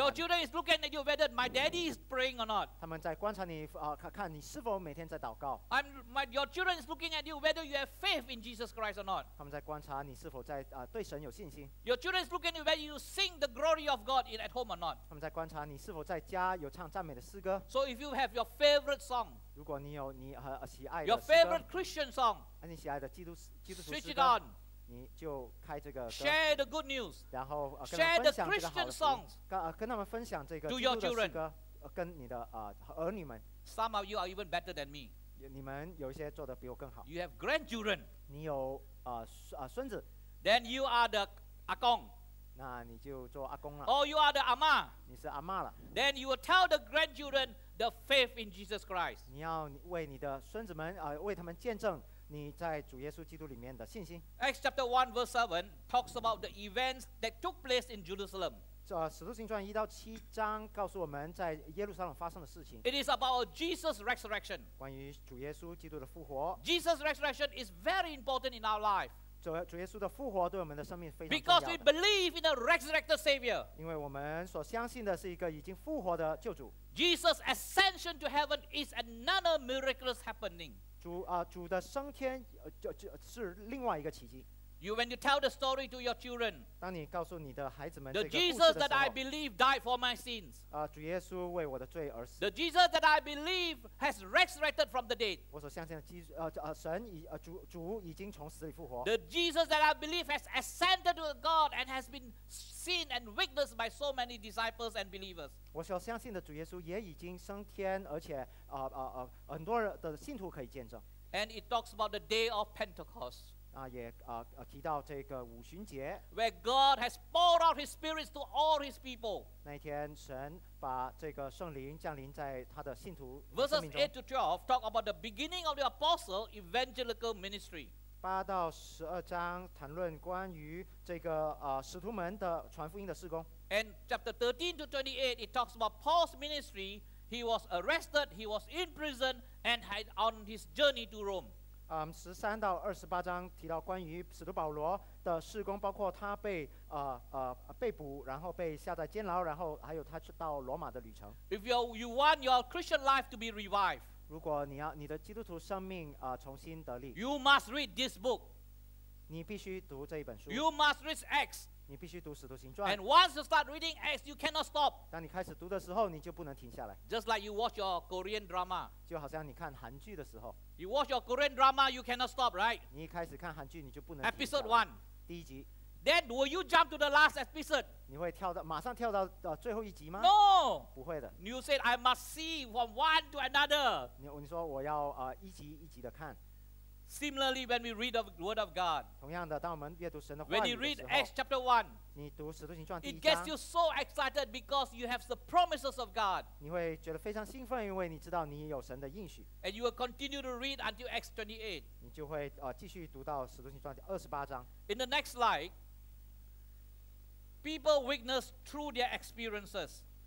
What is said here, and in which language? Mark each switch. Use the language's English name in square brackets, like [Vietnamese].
[English] Your children is looking at you whether my daddy is praying or not. [Chinese] 他们在观察你啊，看你是否每天在祷告。 [English] Your children is looking at you whether you have faith in Jesus Christ or not. [Chinese] 他们在观察你是否在啊对神有信心。 [English] Your children is looking at you whether you sing the glory of God in at home or not. [Chinese] 他们在观察你是否在家有唱赞美的诗歌。 [English] So if you have your favorite song. [Chinese] 如果你有你喜爱的诗歌 [English] Your favorite Christian song [Chinese] 你喜爱的基督徒诗歌 [English] Switch it on [Chinese] 你就开这个歌 [English] Share the good news [Chinese] 然后跟他们分享这个好 [English] Share the Christian songs [Chinese] 跟他们分享这个基督的诗歌跟你的儿女们 [English] Some of you are even better than me [Chinese] 你们有些做得比我更好 [English] You have grandchildren [Chinese] 你有孙子 [English] Then you are the 阿公 [Chinese] 那你就做阿公了 [English] Or you are the 阿嬷 [Chinese] 你是阿嬷了 [English] Then you will tell the grandchildrenThe faith in Jesus Christ. [Chinese] 你要为你的孙子们为他们见证你在主耶稣基督里面的信心。 [English] Acts chapter 1 verse 7 talks about the events that took place in Jerusalem. [Chinese] 使徒行传一到七章告诉我们在耶路撒冷发生的事情。 [English] It is about Jesus' resurrection. [Chinese] 关于主耶稣基督的复活。 [English] Jesus' resurrection is very important in our life. [Chinese] 主耶稣的复活对我们的生命非常重要的。 [English] Because we believe in a resurrected Savior. [Chinese] 因为我们所相信的是一个已经复活的救主。 [English] Jesus' ascension to heaven is another miraculous happening. [Chinese] 主的升天是另外一个奇迹。 [English] You when you tell the story to your children. [Chinese] 当你告诉你的孩子们这个故事的时候。 [English] The Jesus that I believe died for my sins. [Chinese] 主耶稣为我的罪而死。 [English] The Jesus that I believe has resurrected from the dead. [Chinese] 我所相信的神已主已经从死里复活。 [English] The Jesus that I believe has ascended to God and has been seen and witnessed by so many disciples and believers. [Chinese] 我所相信的主耶稣也已经升天，而且很多的信徒可以见证。 [English] And it talks about the day of Pentecost. [Chinese] 也提到这个五旬节 [English] ，where God has poured out His Spirit to all His people. [Chinese] 那一天，神把这个圣灵降临在他的信徒。 [English] Verses 8 to 12 talk about the beginning of the apostle evangelical ministry. [Chinese] 八到十二章谈论关于这个使徒们的传福音的事工。 [English] And chapter 13 to 28 it talks about Paul's ministry. He was arrested, he was in prison, and had on his journey to Rome. [Chinese] 十三到二十八章提到关于使徒保罗的事工，包括他被捕，然后被下在监牢，然后还有他到罗马的旅程。 [English] If you want your Christian life to be revived, [Chinese] 如果你要你的基督徒生命重新得力 [English] ，you must read this book. [Chinese] 你必须读这一本书。 [English] You must read Acts. [Chinese] 你必须读使徒行传。 [English] And once you start reading Acts, you cannot stop. [Chinese] 当你开始读的时候，你就不能停下来。 [English] Just like you watch your Korean drama. [Chinese] 就好像你看韩剧的时候。 [English] You watch your Korean drama, you cannot stop, right? [Chinese] 你一开始看韩剧，你就不能。 [English] Episode one, [Chinese] 第一集。 [English] Then will you jump to the last episode? [Chinese] 你会跳到马上跳到最后一集吗 [English] ？No, [Chinese] 不会的。 [English] You said I must see from one to another. [Chinese] 你说我要一集一集的看。 [English] Similarly, when we read the Word of God, [Chinese] 同样的，当我们阅读神的话语的时候 [English] ，When you read Acts chapter one, [Chinese] 你读使徒行传第一 [English] 章 ，It gets you so excited because you have the promises of God. [Chinese] 你会觉得非常兴奋，因为你知道你有神的应许。 [English] And you will continue to read until Acts 28. [Chinese] 你就会继续读到使徒行传第二十八章。 [English] In the next slide, people witness through their experiences.